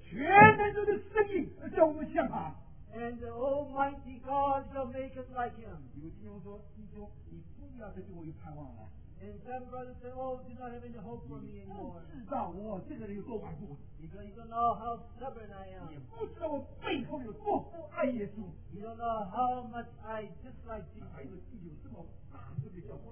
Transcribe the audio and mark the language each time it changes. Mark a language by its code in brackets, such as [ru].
[zh] 全能者的声音叫我们像他 [en] and the Almighty God shall make us like Him. [zh] 有弟兄说，弟兄，你不要再对我有盼望了。 [en] And some brothers say, oh, do not have any hope for me anymore. Because you don't know how stubborn I am. You don't know how much I dislike Jesus.